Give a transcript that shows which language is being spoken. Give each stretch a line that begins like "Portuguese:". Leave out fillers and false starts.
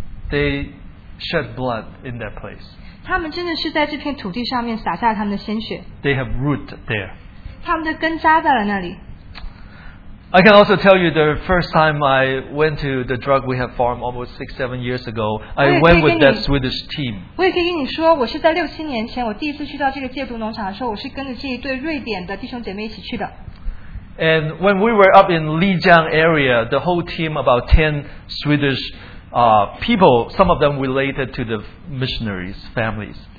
English: they shed blood in that place.
Chinese: 他们真的是在这片土地上面撒下他们的鲜血。
English: They have root there.
Chinese: 他们的根扎在了那里。
English: I can also tell you the first time I went to the drug rehab farm almost 6-7 years ago, I went with that Swedish team.
Chinese: 我也可以跟你说,我是在六七年前,我第一次去到这个戒毒农场的时候,我是跟着这一对瑞典的弟兄姐妹一起去的。
English: And when we were up in Lijiang area, the whole team, about 10 Swedish people, some of them related to the missionaries' families.